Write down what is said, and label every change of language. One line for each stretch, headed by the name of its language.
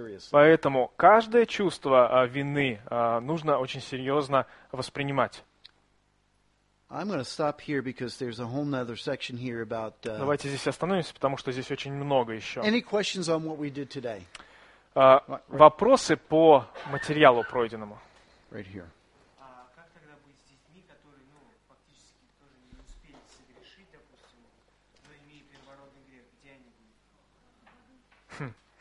Russian: Поэтому каждое чувство вины нужно очень серьезно воспринимать.
English: I'm going to stop here because there's a whole other section here about.
Russian: Давайте здесь остановимся, потому что здесь очень много еще.
English: Any questions on what we did today?
Russian: Вопросы по материалу пройденному.
English: Right here.
Russian: Как тогда быть с детьми, которые, ну, фактически тоже не успели согрешить, допустим, но имея первородный грех, где они будут?